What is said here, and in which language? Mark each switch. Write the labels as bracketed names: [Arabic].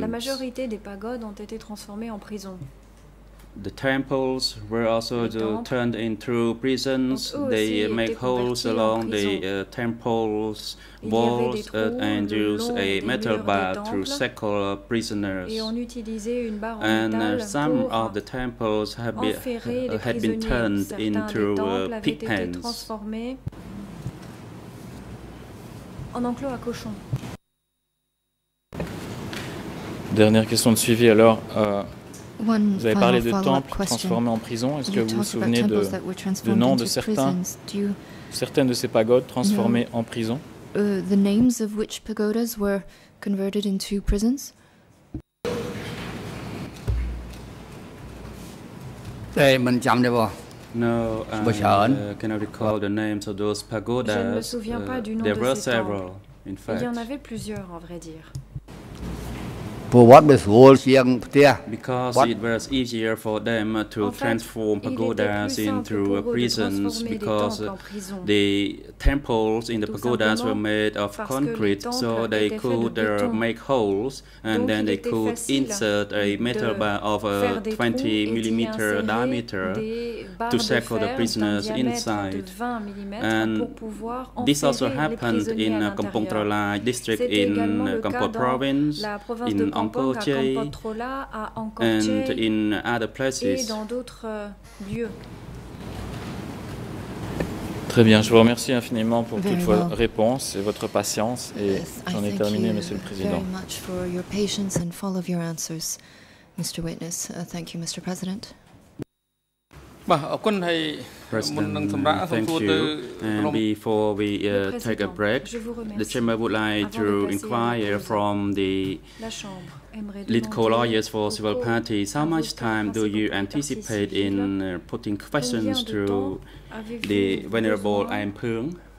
[French] La majorité des pagodes ont été transformées en prison. [English] The temples were also turned into prisons. They make holes along the temples walls and use a metal bar to shackle prisoners. And some of the temples have been turned into pig pens. [French] En enclos à cochons. Dernière question de suivi. Alors. Vous avez parlé de temples transformés en prison. Est-ce que vous vous souvenez du nom de certaines de ces pagodes transformées en prison? [English] The names of which pagodas were converted into prisons? No, I cannot recall the names of those pagodas. [French] Je ne me souviens pas du nom de ces temples. [English] In fact. [French] Il y en avait plusieurs, en vrai dire. [English] Because it was easier for them to transform pagodas into prisons, because the temples in the pagodas were made of concrete, so they could make holes, and then they could insert a metal bar of a 20 millimeter diameter to shackle the prisoners inside. And this also happened in Kampong Tralai district in Kampot province, in and in other places. [French] Et dans d'autres lieux. Très bien, je vous remercie infiniment pour toutes vos réponses et votre patience. Et j'en ai terminé, Monsieur le Président. [English] Very much for your patience and all of your answers, Mr. Witness. Thank you, Mr. President. President, thank you. And before we take a break, the chamber would like to inquire from the legal lawyers for civil parties, how much time do you anticipate in putting questions to the Venerable Ampung?